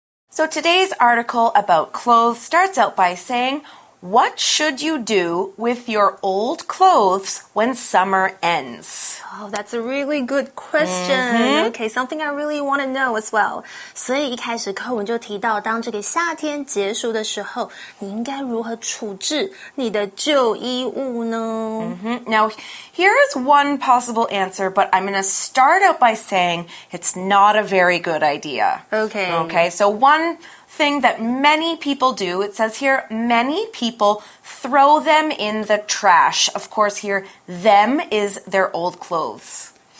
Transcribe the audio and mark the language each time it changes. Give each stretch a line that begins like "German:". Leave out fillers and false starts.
English: So today's article about clothes starts out by saying, what should you do with your old clothes when summer ends? Oh, that's a really good question. Okay, something I really want to know as well.
Chinese: 所以一开始课文就提到当这个夏天结束的时候你应该如何处置你的旧衣物呢
English: Now, here is one possible answer, but I'm going to start out by saying it's not a very good idea. Okay, so one thing that many people do, it says here, many people throw them in the trash. Of course, here, them is their old clothes.